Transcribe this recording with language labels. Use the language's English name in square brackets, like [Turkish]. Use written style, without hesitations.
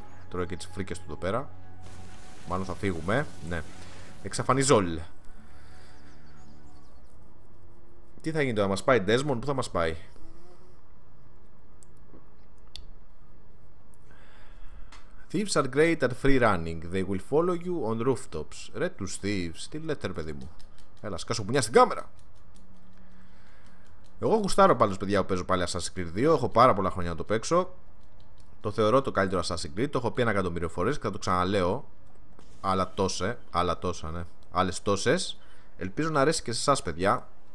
[Greek] Τρώει και τις φρίκες του εδώ πέρα. Μάλλον θα φύγουμε, ναι. Εξαφανιζόλ. Τι θα γίνει τώρα, μας πάει Desmond, πού θα μας πάει? [English] Thieves are great at free running. They will follow you on rooftops. [Greek] Ρε τους thieves, τι λέτε ρε παιδί μου. Έλα, σκάσω πουνιά στην κάμερα. Εγώ γουστάρω πάλι, παιδιά, που παίζω πάλι Assassin's Creed 2. Έχω πάρα πολλά χρόνια να το παίξω. Το θεωρώ το καλύτερο Assassin's Creed. Το έχω πει ένα εκατομμύριο φορές και θα το ξαναλέω. Άλλα τόσα, άλλα τόσα, ναι. Άλλες τόσες. Ελπίζω να αρέσει και σε εσάς, παιδιά.